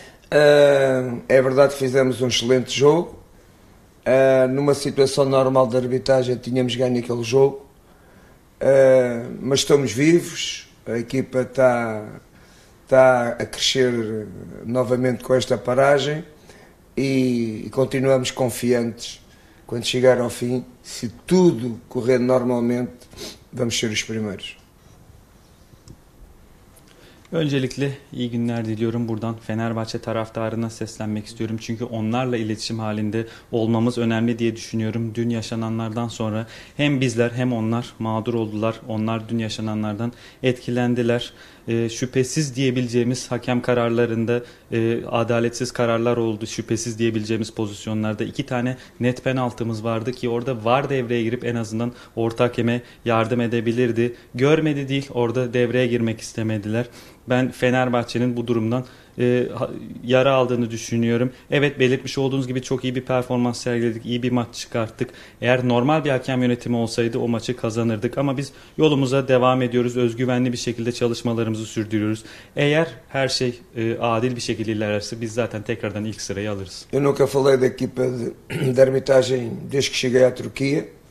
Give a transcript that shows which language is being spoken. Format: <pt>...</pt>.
<pt>É verdade que fizemos um excelente jogo. Numa situação normal de arbitragem tínhamos ganho aquele jogo, mas estamos vivos, a equipa está a crescer novamente com esta paragem e continuamos confiantes. Quando chegar ao fim, se tudo correr normalmente, vamos ser os primeiros.</pt> <tr>Öncelikle iyi günler diliyorum buradan. Fenerbahçe taraftarına seslenmek istiyorum. Çünkü onlarla iletişim halinde olmamız önemli diye düşünüyorum. Dün yaşananlardan sonra hem bizler hem onlar mağdur oldular. Onlar dün yaşananlardan etkilendiler. Şüphesiz diyebileceğimiz hakem kararlarında adaletsiz kararlar oldu. Şüphesiz diyebileceğimiz pozisyonlarda iki tane net penaltımız vardı ki orada VAR devreye girip en azından orta hakeme yardım edebilirdi. Görmedi değil, orada devreye girmek istemediler. Ben Fenerbahçe'nin bu durumdan yara aldığını düşünüyorum. Evet, belirtmiş olduğunuz gibi çok iyi bir performans sergiledik, iyi bir maç çıkarttık. Eğer normal bir hakem yönetimi olsaydı o maçı kazanırdık. Ama biz yolumuza devam ediyoruz, özgüvenli bir şekilde çalışmalarımızı sürdürüyoruz. Eğer her şey adil bir şekilde ilerlerse biz zaten tekrardan ilk sırayı alırız.</tr> <pt>Eu nunca falei da equipa de arbitragem desde que cheguei à Turquia.</pt>